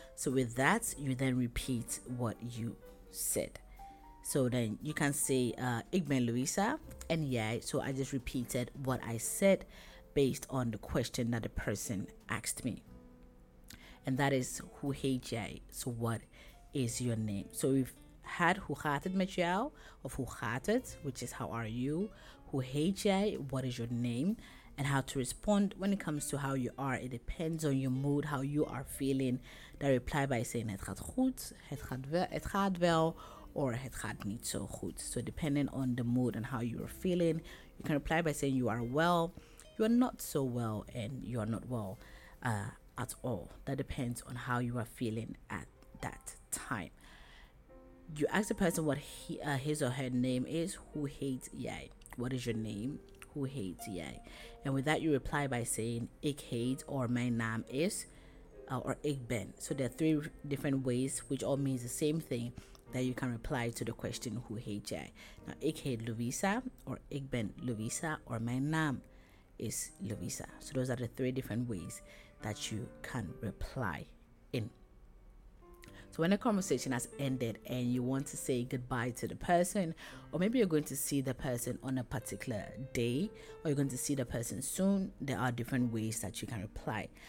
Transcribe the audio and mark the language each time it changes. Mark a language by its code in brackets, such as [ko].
[en] So with that, you then repeat what you said. So then you can say, [nl] ik ben Louisa, [en] and yeah, so I just repeated what I said based on the question that the person asked me. And that is, [nl] hoe heet jij? [en] So what is your name? So we've had, [nl] hoe gaat het met jou? Of hoe gaat het? [en] Which is, how are you? [nl] Hoe heet jij? [en] What is your name? And how to respond when it comes to how you are. It depends on your mood, how you are feeling. Then reply by saying, [nl] het gaat goed, het gaat wel, [en] or [nl] het gaat niet zo goed. [en] So depending on the mood and how you are feeling, you can reply by saying you are well, you are not so well, and you are not well at all. That depends on how you are feeling at that time. You ask the person what his or her name is, [nl] hoe heet jij? [en] What is your name? [nl] Hoe heet jij? [en] And with that, you reply by saying, [nl] ik heet, [en] or [nl] mijn naam is, [en] or [nl] ik ben. [en] So there are three different ways, which all means the same thing, that you can reply to the question, [nl] hoe heet jij? Now, ik heet Louisa, or ik ben Louisa, or mijn naam is Louisa. [en] So those are the three different ways that you can reply in. So when the conversation has ended and you want to say goodbye to the person, or maybe you're going to see the person on a particular day, or you're going to see the person soon, there are different ways that you can reply.